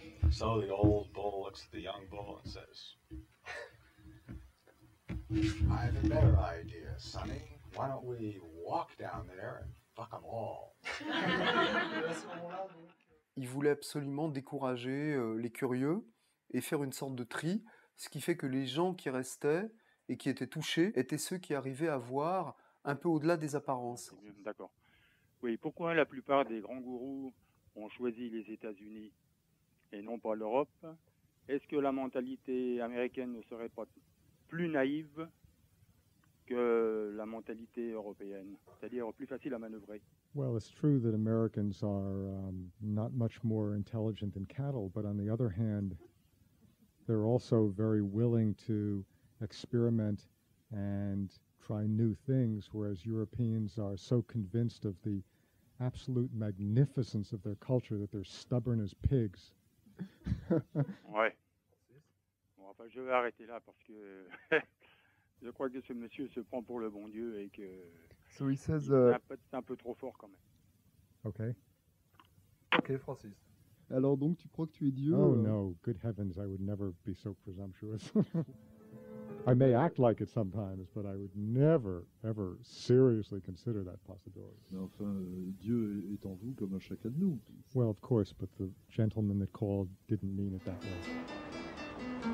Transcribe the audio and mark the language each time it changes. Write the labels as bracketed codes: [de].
[en] So the old bull looks at the young bull and says, I have a better idea, sonny. Why don't we walk down there and fuck them all. [fr] Il voulait absolument décourager les curieux et faire une sorte de tri, ce qui fait que les gens qui restaient et qui étaient touchés étaient ceux qui arrivaient à voir un peu au-delà des apparences. D'accord. Oui, pourquoi la plupart des grands gourous ont choisi les États-Unis et non pas l'Europe? Est-ce que la mentalité américaine ne serait pas plus naïve que la mentalité européenne, c'est-à-dire plus facile à manœuvrer? [en] Well, it's true that Americans are not much more intelligent than cattle, but on the other hand, they're also very willing to experiment and try new things, whereas Europeans are so convinced of the absolute magnificence of their culture that they're stubborn as pigs. [fr] Ouais. Bon, enfin, je vais arrêter là parce que... Je crois que ce monsieur se prend pour le bon Dieu et que [en] so he says, [fr] c'est un peu trop fort quand même. Ok. Ok, Francis. Alors donc, tu crois que tu es Dieu? [en] Oh no, good heavens, I would never be so presumptuous. I may act like it sometimes, but I would never, ever seriously consider that possibility. [fr] Mais enfin, Dieu est en vous comme en chacun de nous. [en] Well, of course, but the gentleman that called didn't mean it that way.